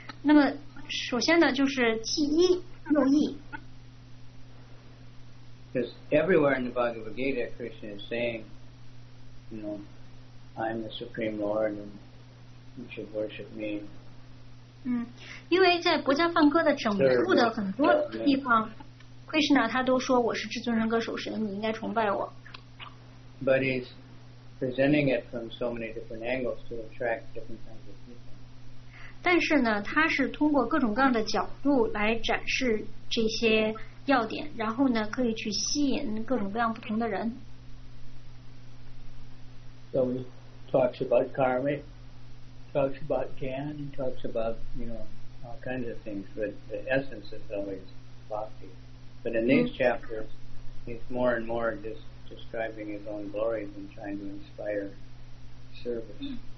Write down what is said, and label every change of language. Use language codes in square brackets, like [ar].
[zh] 那么首先呢，就是其一又一。 [en] Because everywhere in the Bhagavad Gita, Krishna is saying, you know, I'm the Supreme Lord and you should worship me. [zh] 因为在《博迦梵歌》的整部的很多地方 ，Krishna 他都说我是至尊人格首神，你应该崇拜我。 [en] But he's presenting it from so many different angles to attract different kinds of people. [zh] 但是呢，他是通过各种各样的角度来展示这些要点，然后呢，可以去吸引各种各样不同的人。 [en] So he talks about karma, talks about jnana, he talks about, you know, all kinds of things, but the essence is always bhakti. But in these chapters, he's more and more just describing his own glories and trying to inspire service.